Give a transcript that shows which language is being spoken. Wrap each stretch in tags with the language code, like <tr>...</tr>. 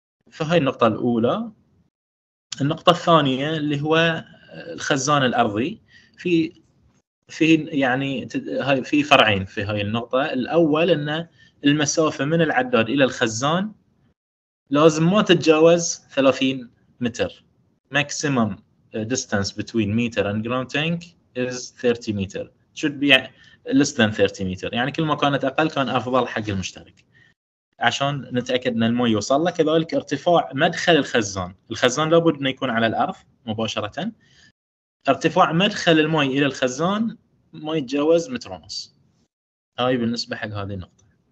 <ar>فهي النقطة الأولى. النقطة الثانية اللي هو الخزان الأرضي. في يعني هاي في فرعين في هاي النقطة. الأول أن المسافة من العداد إلى الخزان لازم ما تتجاوز 30 متر.</ar> <en>maximum distance between meter and ground tank is 30 meter. should be less than 30 meter.</en> <ar>يعني كل ما كانت أقل كان أفضل حق المشترك. عشان نتأكد أن الماء يوصل له. كذلك ارتفاع مدخل الخزان. الخزان لابد أن يكون على الأرض مباشرة. ارتفاع مدخل الماء إلى الخزان ما يتجاوز متر ونص. هاي بالنسبة حق هذه النقطة.</ar>